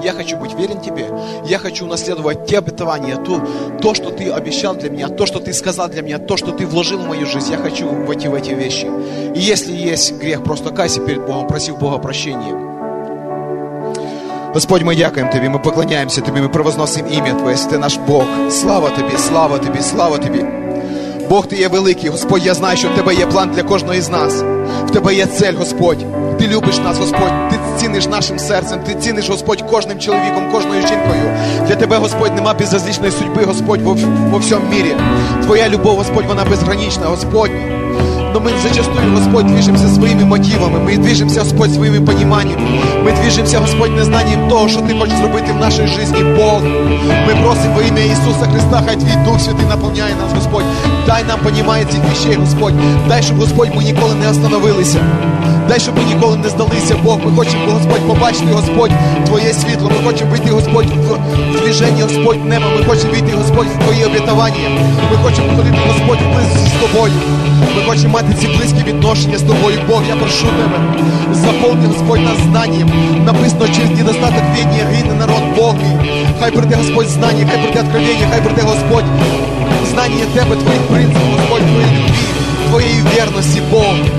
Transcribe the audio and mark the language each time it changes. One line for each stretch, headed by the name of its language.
Russian: Я хочу быть верен тебе. Я хочу наследовать те обетования, то, что ты обещал для меня, то, что ты сказал для меня, то, что ты вложил в мою жизнь. Я хочу войти в эти вещи. И если есть грех, просто кайся перед Богом, проси у Бога прощения. Господь, мы якаем Тебе, мы поклоняемся Тебе, мы провозносим имя Твое, если Ты наш Бог. Слава Тебе, слава Тебе, слава Тебе.
Ukrainian: Бог, Ты є великий, Господь, я знаю, що в Тебе є план для кожного із нас. В Тебе є цель, Господь. Ти любиш нас, Господь, Ти ціниш нашим серцем, Ти ціниш, Господь, кожним чоловіком, кожною жінкою. Для Тебе, Господь, нема безразличної судьби, Господь, во всьому мірі. Твоя любов, Господь, вона безгранична, Господь.
Russian: Но мы зачастую, Господь, движемся своими мотивами, мы движемся, Господь, своими пониманиями, мы движемся, Господь, незнанием того, что Ты хочешь сделать в нашей жизни, Бог. Мы просим во имя Иисуса Христа, хоть и Дух Святый наполняй нас, Господь. Дай нам понимать этих вещей, Господь. Дай, чтобы, Господь, мы никогда не остановились. Дай, чтобы мы никогда не сдались, Бог. Мы хотим, Господь,
Ukrainian: побачить,
Russian: Господь, Твое светло. Мы хотим видеть, Господь, в движении, Господь, небо. Мы хотим видеть, Господь, Твои обетования. Мы хотим ходить, Господь, вблизи с Тобою. Мы хотим
Ukrainian: мати ці близькі відношення з Тобою, Бог, я прошу Тебе, заповни, Господь, нас знанням. Написано, через недостаток відня гине народ Божий. Хай прийде, Господь, знання, хай прийде откровення, хай прийде, Господь, знання Тебе, Твоїх принципів, Господь, Твоєї любви, Твоєї вірності, Бог.